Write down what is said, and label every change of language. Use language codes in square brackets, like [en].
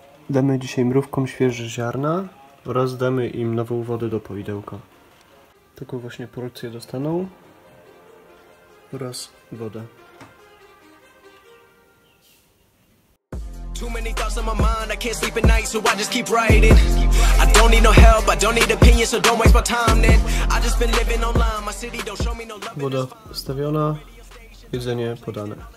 [pl] Damy dzisiaj mrówkom świeże ziarna oraz damy im nową wodę do poidełka. Taką właśnie porcję dostaną oraz wodę. [en] Too many thoughts on my mind, I can't sleep at night, so I just keep writing. I don't need no help, I don't need opinions, so don't waste my time then. I just been living online, my city don't show me no love. [pl] Woda stawiona, jedzenie podane.